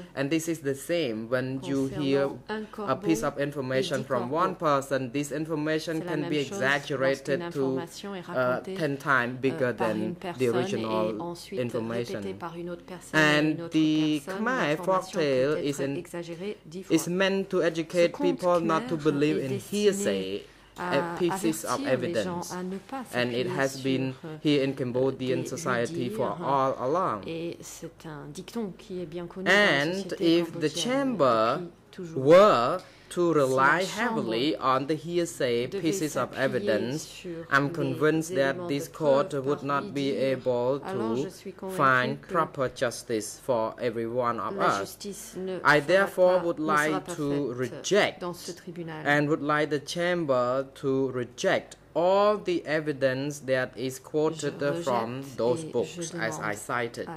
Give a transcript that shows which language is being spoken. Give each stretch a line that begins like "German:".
English: And this is the same when you hear a piece of information from one person, this information can be exaggerated to 10 times bigger than the original information. And the Khmer folktale is meant to educate people not to believe in hearsay. Pieces of evidence, and it has been here in Cambodian society for all along.
French: Et c'est un dicton qui est bien connu
English: and if the chamber were to rely heavily on the hearsay pieces of evidence, I'm convinced that this court would not be able to find proper justice for every one of us. I therefore would like to reject and would like the chamber to reject all the evidence that is quoted from those books, as I cited.